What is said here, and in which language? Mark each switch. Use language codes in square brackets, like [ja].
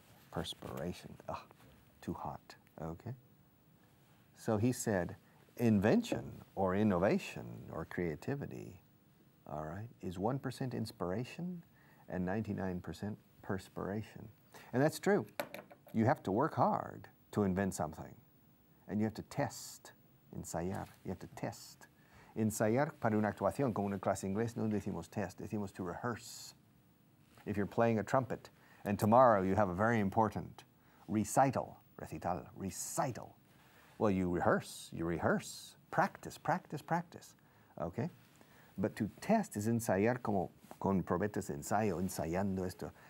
[en] Perspiration, too hot, okay? So he said, invention or innovation or creativity, all right, is 1% inspiration and 99% perspiration. And that's true. You have to work hard to invent something. And you have to test, ensayar, you have to test. [es] Ensayar para una actuación, como una clase inglés, no decimos test, decimos to rehearse. [en] If you're playing a trumpet, and tomorrow you have a very important recital, recital, recital. Well, you rehearse. Practice. Okay? But to test is [es] ensayar como con probetas de ensayo, ensayando esto.